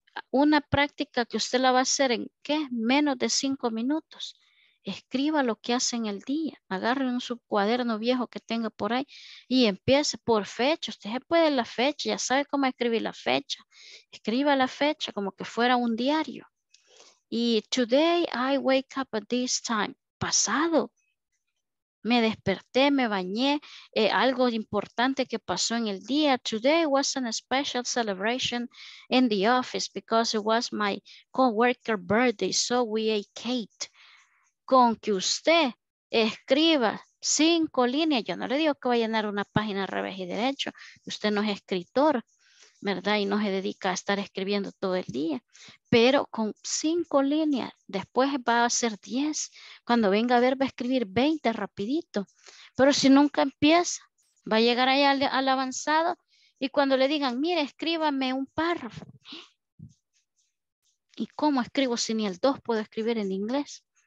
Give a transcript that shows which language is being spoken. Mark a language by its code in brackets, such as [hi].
[es] Una práctica que usted la va a hacer en, ¿qué? Menos de 5 minutos. Escriba lo que hace en el día. Agarre un subcuaderno viejo que tenga por ahí y empiece por fecha. Usted se puede la fecha, ya sabe cómo escribir la fecha. Escriba la fecha como que fuera un diario. [en] Y today I wake up at this time. Pasado. [es] Me desperté, me bañé. Algo importante que pasó en el día. [en] Today was a special celebration in the office because it was my coworker's birthday. So we ate cake. [es] Con que usted escriba 5 líneas, yo no le digo que va a llenar una página al revés y derecho, usted no es escritor, ¿verdad? Y no se dedica a estar escribiendo todo el día, pero con 5 líneas, después va a ser 10, cuando venga a ver va a escribir 20 rapidito, pero si nunca empieza, va a llegar allá al avanzado y cuando le digan, mire, escríbame un párrafo, ¿y cómo escribo si ni el 2 puedo escribir en inglés?